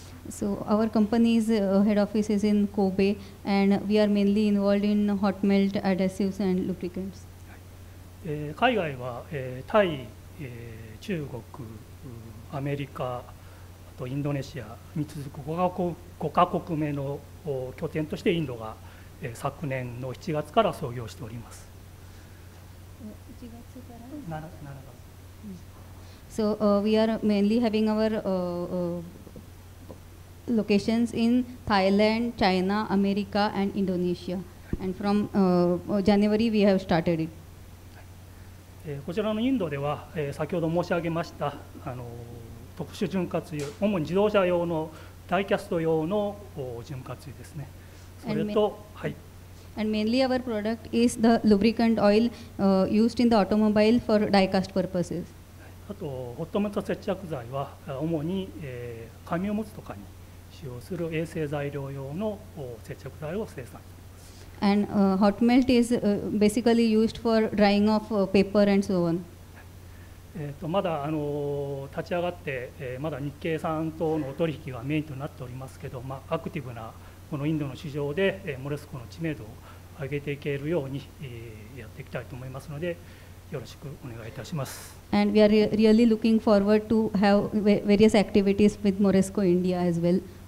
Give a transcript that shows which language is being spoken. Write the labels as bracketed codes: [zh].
[en] So our company's head office is in Kobe and we are mainly involved in hot melt adhesives and lubricants. [ja] 海外はタイ、中国、アメリカ、あとインドネシアに続く5カ国目の拠点としてインドが昨年の7月から創業しております。 [en] So we are mainly having our locations in Thailand, China, America and Indonesia. And from January we have started it. [ja] こちらのインドでは、先ほど申し上げました特殊潤滑油、主に自動車用のダイキャスト用の潤滑油ですね。それと、 [en] And mainly our product is the lubricant oil used in the automobile for die-cast purposes. [ja] あと、ホットメント接着剤は主に紙おむつとかに使用する衛生材料用の接着剤を生産しています。 [en] And hot melt is basically used for drying of paper and so on. [ja] まだ立ち上がって、まだ日系さんとの取引がメインとなっておりますけど、まあ、アクティブなこのインドの市場でモレスコの知名度を上げていけるようにやっていきたいと思いますので、よろしくお願いいたします。 [en] And we are really looking forward to have various activities with Moresco India as well.